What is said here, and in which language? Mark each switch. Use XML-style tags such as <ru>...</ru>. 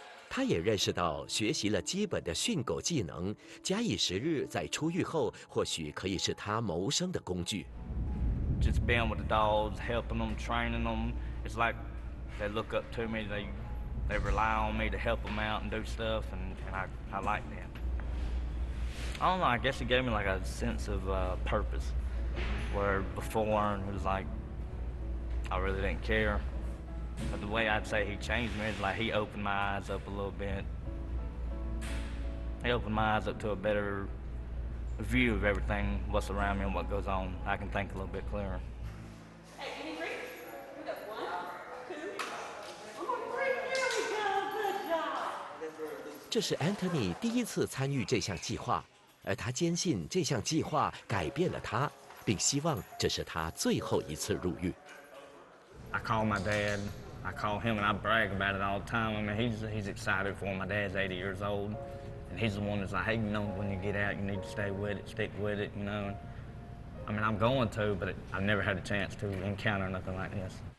<zh>他也认识到学习了基本的训狗技能，假以时日在出狱后或许可以是他谋生的工具。</zh> <en>Just being with the dogs, helping them, training them, it's like they look up to me, they rely on me to help them out and do stuff, and I like that. I don't know, I guess it gave me like a sense of purpose, where before it was like, I really didn't care. But the way I'd say he changed me is like he opened my eyes up a little bit. He opened my eyes up to a better view of everything, what's around me and what goes on. I can think a little bit clearer. 1, 2, 3, here we go, good job!</en> <zh>这是 Anthony 第一次参与这项计划，而他坚信这项计划改变了他，并希望这是他最后一次入狱。</zh> <en>I call my dad, I call him, and I brag about it all the time. I mean, he's excited for my dad's 80 years old, and he's the one that's like, hey, you know, when you get out, you need to stay with it, stick with it, you know. I mean, I'm going to, but I've never had a chance to encounter nothing like this.</en>